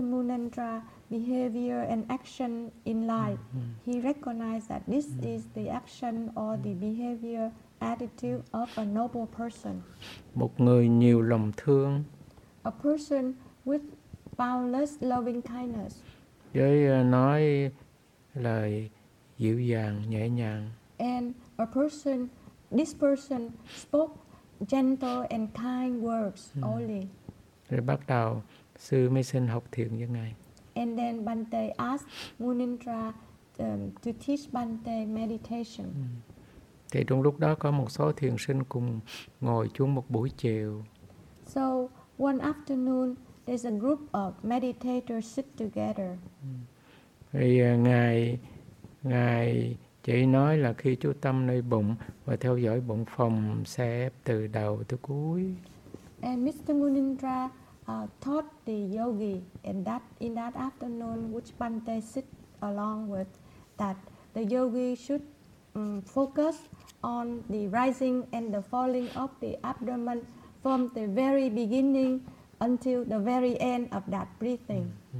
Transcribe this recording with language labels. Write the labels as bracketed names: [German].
[English] Munindra's behavior and action in life, he recognized that this is the action or the behavior attitude of a noble person. [Vietnamese] Một người nhiều lòng thương. [English] A person with boundless loving kindness. [Vietnamese] Với nói lời dịu dàng, nhẹ nhàng. [English] And this person spoke gentle and kind words only. [Vietnamese] Rồi bắt đầu sư mới xin học thiền với ngài. [English] And then Bhante asked Munindra to teach Bhante meditation. [Vietnamese] Thì trong lúc đó có một số thiền sinh cùng ngồi chung một buổi chiều. [English] So one afternoon there's a group of meditators sit together. [Vietnamese] Ngài chỉ nói là khi chú tâm nơi bụng và theo dõi bụng phồng xẹp từ đầu tới cuối. [English] And Mr. Munindra taught the yogi in that afternoon which Bhante sit along with that the yogi should focus on the rising and the falling of the abdomen from the very beginning until the very end of that breathing.